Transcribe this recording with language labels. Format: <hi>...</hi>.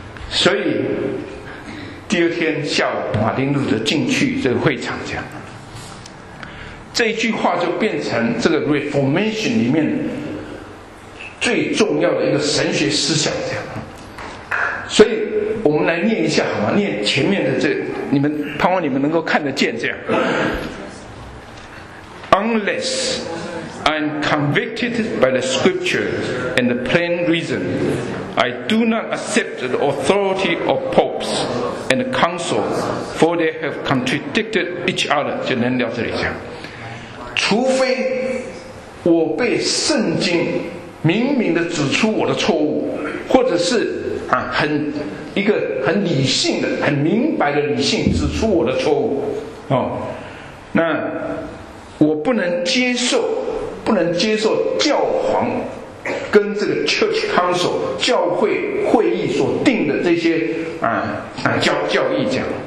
<zh>所以第二天下午，马丁路德进去这个会场，这样，这一句话就变成这个 Reformation 里面最重要的一个神学思想，这样。所以我们来念一下好吗？念前面的这，你们盼望你们能够看得见，这样。</zh> <en>Unless I am convicted by the Scripture and the plain reason, I do not accept the authority of popes and the council, for they have contradicted each other.</en> <zh>就念到这里讲，除非我被圣经明明的指出我的错误，或者是很一个很理性的、很明白的理性指出我的错误，哦，那我不能接受，不能接受教皇跟这个 Church Council 教会会议所定的这些教义，这样。</zh>